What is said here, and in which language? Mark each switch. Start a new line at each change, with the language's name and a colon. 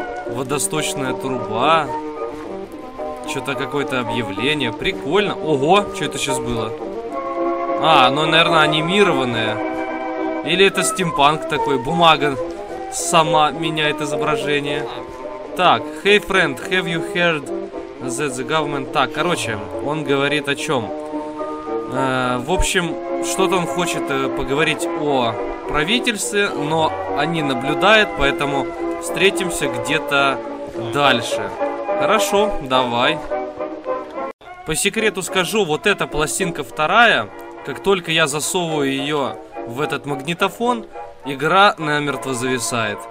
Russian: Водосточная труба. Что-то какое-то объявление. Прикольно. Ого, что это сейчас было? А, ну, наверное, анимированное. Или это стимпанк такой. Бумага сама меняет изображение. Так,
English: hey friend, have you heard that the government...
Russian: Так, короче, он говорит о чем? В общем, что-то он хочет поговорить о правительстве, но они наблюдают, поэтому встретимся где-то дальше. Хорошо, давай. По секрету скажу, вот эта пластинка вторая, как только я засовываю ее в этот магнитофон, игра намертво зависает.